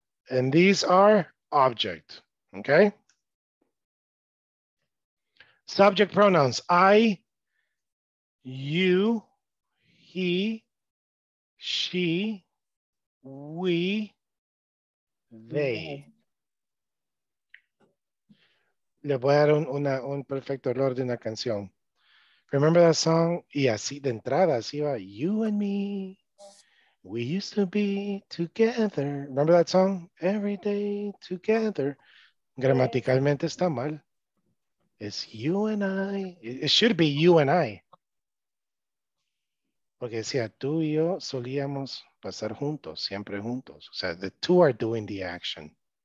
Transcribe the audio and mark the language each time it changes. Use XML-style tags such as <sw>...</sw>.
<en>And these are object, okay? Subject pronouns, I, you, he, she, we, they.</en> <es>Le voy a dar un perfecto error de una canción.</es> <en>Remember that song?</en> <es>Y así de entrada, así va,</es> <en>you and me, we used to be together. Remember that song? Every day together.</en> <es>Gramaticalmente está mal.</es> <en>It's you and I. It should be you and I.</en> <es>Porque decía, tú y yo solíamos pasar juntos, siempre juntos. O sea,</es> <en>the two are doing the action.</en>